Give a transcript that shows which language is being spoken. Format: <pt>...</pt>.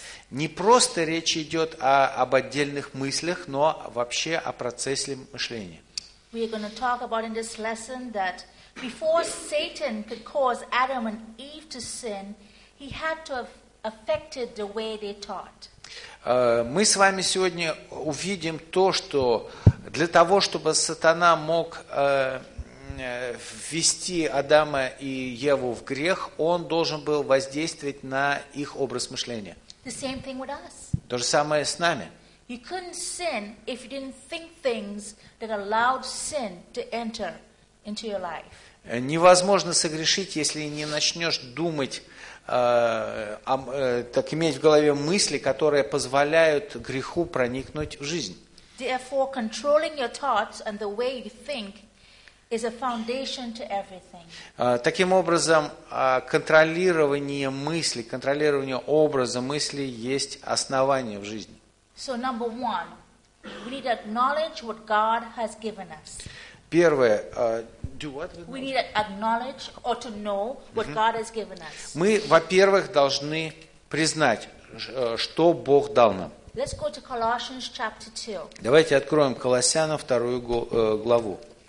<ru>Не просто речь идет об отдельных мыслях, но вообще о процессе мышления.</ru> <en>We are going to talk about in this lesson that before Satan could cause Adam and Eve to sin, he had to have affected the way they thought.</en> <ru>Мы с вами сегодня увидим то, что для того, чтобы сатана мог ввести Адама и Еву в грех, он должен был воздействовать на их образ мышления.</ru> <en>The same thing with us.</en> <ru>То же самое с нами.</ru> <en>You couldn't sin if you didn't think things that allowed sin to enter into your life.</en> <ru>Невозможно согрешить, если не начнешь думать, так иметь в голове мысли, которые позволяют греху проникнуть в жизнь.</ru> <en>Therefore, controlling your thoughts and the way you think is a foundation to everything.</en> <ru>Таким образом, контролирование мысли, контролирование образа мысли есть основание в жизни.</ru> <en>So number one, we need to acknowledge what God has given us.</en> <ru>Первое,</ru> <en>do what? We need to acknowledge or to know what God has given us.</en> <ru>Мы, во-первых, должны признать, что Бог дал нам.</ru> <en>Let's go to Colossians chapter 2.</en> <ru>Давайте откроем Колоссянам вторую главу.</ru>